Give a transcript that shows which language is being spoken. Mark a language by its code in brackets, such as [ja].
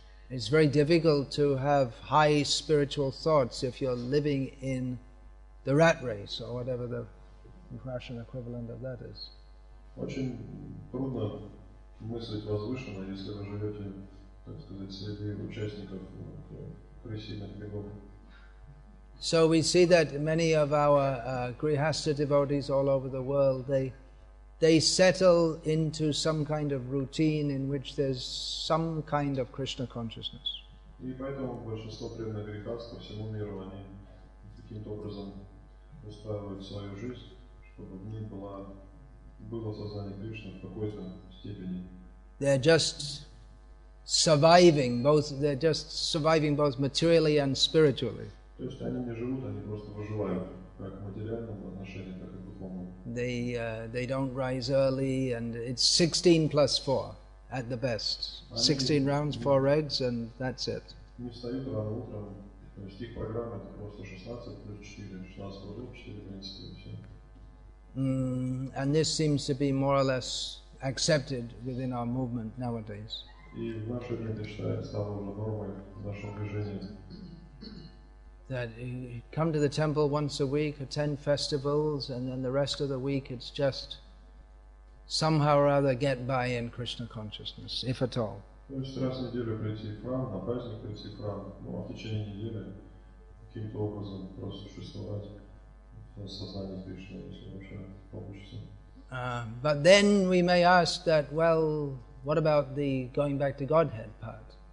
[en] It's very difficult to have high spiritual thoughts if you're living in the rat race or whatever the Russian equivalent of that is. [ru] Очень трудно мыслить возвышенно, если вы живете, так сказать, среди участников крысиных бегов. [en] So we see that many of our grihastha devotees all over the world, they settle into some kind of routine in which there's some kind of Krishna consciousness. [ru] И поэтому большинство преданных грехаст по всему миру, они каким-то образом устраивают свою жизнь, чтобы в ней было сознание Кришны в какой-то степени. [en] They're just surviving both materially and spiritually. [ru] То есть они не живут, они просто выживают. как в материальном отношении, так и в духовном. [en] They don't rise early, and it's 16 plus 4 at the best. 16 rounds, 4 eggs, and that's it. [ru] Не встают рано утром, то есть их программа это просто 16 плюс 4, 16 плюс 4, 15 и все. [en] And this seems to be more or less accepted within our movement nowadays. [ru] И в наше время считается стало уже нормой в нашем движении. [en] That you come to the temple once a week, attend festivals, and then the rest of the week it's just somehow or other get by in Krishna consciousness, if at all. [ru] То есть раз в неделю прийти в храм, на праздник прийти в храм, но в течение недели каким-то образом просто существовать. [en] But then we may ask that, well, what about the going back to Godhead part?